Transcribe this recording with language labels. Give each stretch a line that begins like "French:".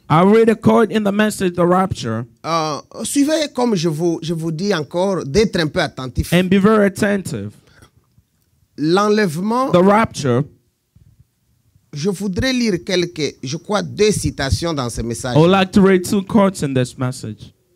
English: I read a quote in the message, the rapture.
French: Suivez comme je vous dis encore d'être un peu attentif.
English: And be very attentive.
French: L'enlèvement.
English: The rapture.
French: Je voudrais lire quelques, je crois, deux citations dans ce message.
English: I would like to read two quotes in this message.